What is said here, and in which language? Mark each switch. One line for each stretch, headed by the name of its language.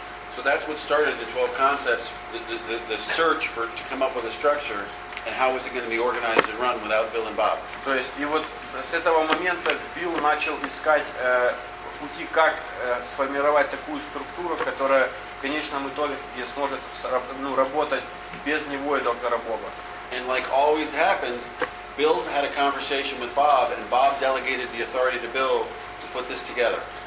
English: So that's what started the 12 concepts, the search for to come up with a structure. And how was it going to be organized and run without Bill and Bob?
Russian: То есть и вот с этого момента Билл начал искать пути, как сформировать такую структуру, которая в конечном итоге сможет работать без него и доктора Боба.
English: And like always happened, Bill had a conversation with Bob, and Bob delegated the authority to Bill to put this together.